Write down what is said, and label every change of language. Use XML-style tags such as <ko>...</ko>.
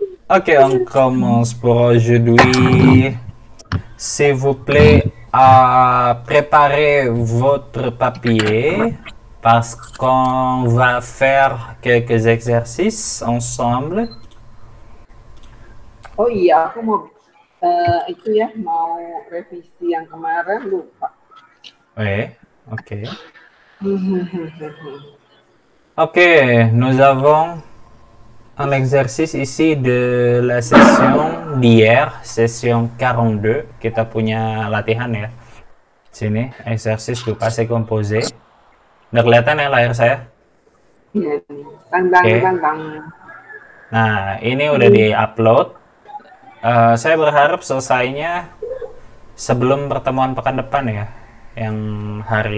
<fr>Okay, on commence pour aujourd'hui. S'il vous plaît, préparez votre papier parce qu'on va faire quelques exercices ensemble.</fr> <id>Oh iya, aku mau itu ya, mau revisi yang kemarin lupa. Oke.</id> <fr>Oke, nous avons un exercice ici de la session d'hier, session 42.</fr> <id>Kita punya latihan ya. Sini,</id> <fr>exercice du passé composé.</fr> <id>Nggak kelihatan ya layar saya? Tandang. Nah, ini udah di-upload. Saya berharap selesainya sebelum pertemuan pekan depan ya, yang hari.</id>